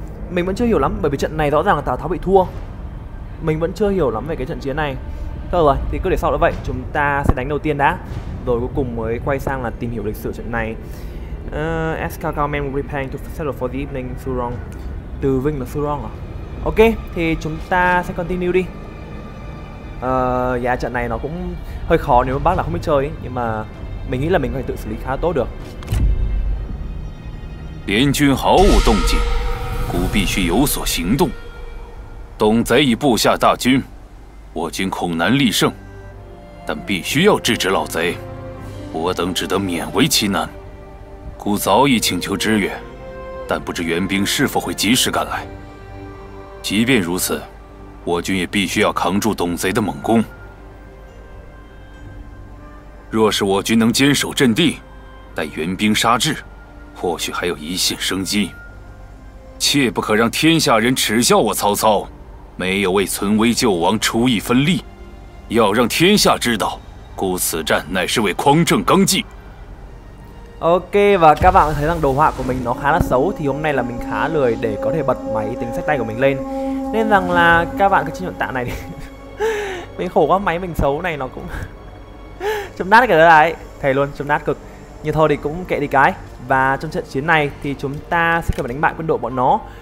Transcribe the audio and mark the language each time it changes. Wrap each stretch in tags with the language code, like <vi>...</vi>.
<vi>Mình vẫn chưa hiểu lắm bởi vì trận này rõ ràng là Tào Tháo bị thua. Mình vẫn chưa hiểu lắm về cái trận chiến này. Thôi rồi, thì cứ để sau đó vậy, chúng ta sẽ đánh đầu tiên đã. Rồi cuối cùng mới quay sang là tìm hiểu lịch sử trận này.</vi> <en>As Cao Cao men were preparing to settle for the evening, Xu Rong.</en> <vi>Từ Vinh là Xu Rong à? Ok, thì chúng ta sẽ continue đi. Trận này nó cũng hơi khó nếu mà bác là không biết chơi ấy. Nhưng mà mình nghĩ là mình có thể tự xử lý khá tốt được. Liên quân</vi> <zh>毫无动静，故必须有所行动。董贼已布下大军，我军恐难力胜，但必须要制止老贼，我等只得勉为其难。故早已请求支援，但不知援兵是否会及时赶来。即便如此，我军也必须要扛住董贼的猛攻。若是我军能坚守阵地，待援兵杀至，或许还有一线生机。切不可让天下人耻笑我曹操，没有为存危救亡出一分力。要让天下知道，故此战乃是为匡正纲纪。</zh> <vi>Ok, và các bạn thấy rằng đồ họa của mình nó khá là xấu. Thì hôm nay là mình khá lười để có thể bật máy tính sách tay của mình lên. Nên rằng là các bạn cứ chấp nhận tạ này đi. Mình khổ quá, máy mình xấu này nó cũng chấm nát cái đó lại. Thề luôn, chấm nát cực. Nhưng thôi thì cũng kệ đi cái. Và trong trận chiến này thì chúng ta sẽ cần phải đánh bại quân đội bọn nó.</vi>